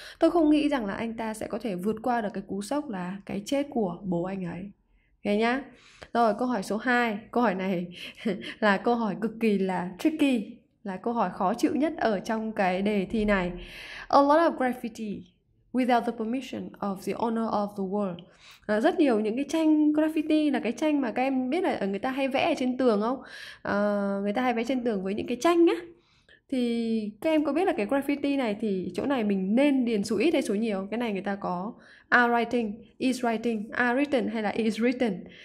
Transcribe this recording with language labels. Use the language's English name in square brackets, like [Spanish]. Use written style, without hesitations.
[Vietnamese] Tôi không nghĩ rằng là anh ta sẽ có thể vượt qua được cái cú sốc là cái chết của bố anh ấy. Nghe nhá. Rồi câu hỏi số 2, câu hỏi này là câu hỏi cực kỳ là tricky, là câu hỏi khó chịu nhất ở trong cái đề thi này. [English] A lot of graffiti. Without the permission of the owner of the wall. [Vietnamese] À, rất nhiều những cái tranh graffiti là cái tranh mà các em biết là người ta hay vẽ ở trên tường không? À, người ta hay vẽ trên tường với những cái tranh á. Thì các em có biết là cái graffiti này thì chỗ này mình nên điền số ít hay số nhiều? Cái này người ta có [English] are writing, is writing, are written [Vietnamese] hay là [English] is written.